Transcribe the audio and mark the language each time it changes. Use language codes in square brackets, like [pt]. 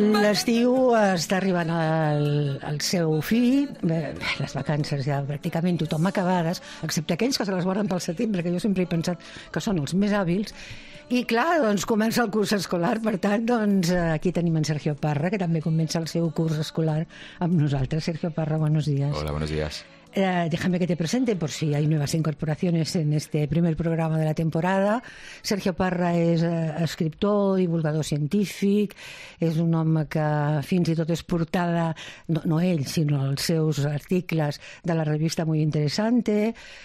[ca] l'estiu està arribant al seu fi, les vacances ja pràcticament tothom acabades, excepte aquells que se les guarden pel setembre, que jo sempre he pensat que són els més hàbils. I clar, doncs comença el curs escolar, per tant, doncs aquí tenim en Sergio Parra, que també comença el seu curs escolar amb nosaltres. [es] Sergio Parra, buenos días. Hola, buenos días. Déjame que te presente por si hay nuevas incorporaciones en este primer programa de la temporada. [ca] Sergio Parra és escriptor, divulgador científic, és un home que fins i tot és portada, no ell, sinó els seus articles de la revista Muy Interesante.